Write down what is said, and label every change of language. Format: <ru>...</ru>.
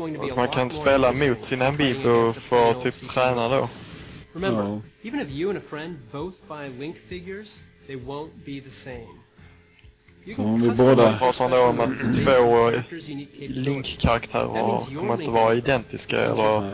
<sv>Och man kan spela mot sin amiibo för att typ träna då.</sv> <en>Remember, even if you and a friend both buy Link figures, they won't be the same.</en> <sv>Så om vi båda har sådana där om att två Link-karaktärer kommer inte vara identiska eller...</sv>